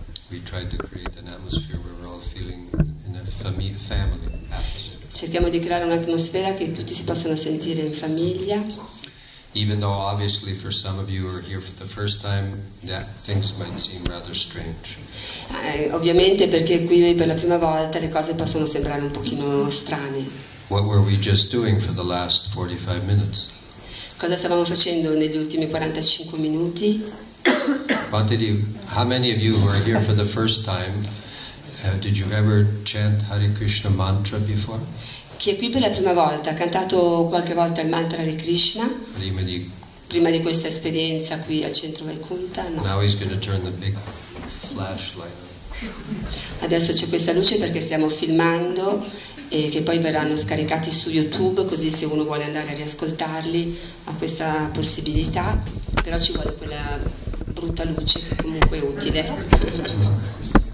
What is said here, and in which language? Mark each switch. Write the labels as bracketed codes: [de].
[en] We try to create an atmosphere where we're all feeling in a family atmosphere. [it] Cerchiamo di creare un'atmosfera che tutti si possano sentire in famiglia. [en] Even though obviously for some of you who are here for the first time, yeah, things might seem rather strange. [it] Ovviamente perché qui per la prima volta le cose possono sembrare un pochino strane. [en] What were we just doing for the last 45 minutes? [it] Cosa stavamo facendo negli ultimi 45 minuti? [en] How many of you who are here for the first time, did you ever chant Hare Krishna mantra before? [it] Chi è qui per la prima volta ha cantato qualche volta il mantra Hare Krishna? Prima di questa esperienza qui al centro Vaikuntha? No. [en] Now he's going to turn the big flashlight. [it] Adesso c'è questa luce perché stiamo filmando e che poi verranno scaricati su YouTube, così se uno vuole andare a riascoltarli ha questa possibilità, però ci vuole quella brutta luce, comunque utile.